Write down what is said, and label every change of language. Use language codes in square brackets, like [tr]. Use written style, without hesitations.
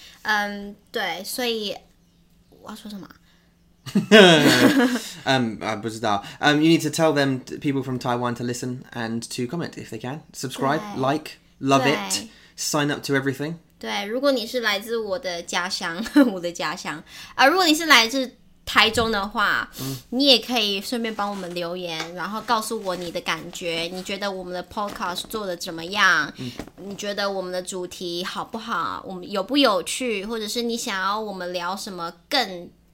[zh] 有，我都会跟大家说啊，当然，对，所以我要说什么。 [en] You need to tell them people from Taiwan to listen and to comment if they can. Subscribe, like, love it, sign up to everything. [zh] 对，如果你是来自我的家乡，我的家乡，如果你是来自台中的话，你也可以顺便帮我们留言，然后告诉我你的感觉，你觉得我们的 podcast 做的怎么样？你觉得我们的主题好不好？我们有不有趣？或者是你想要我们聊什么更？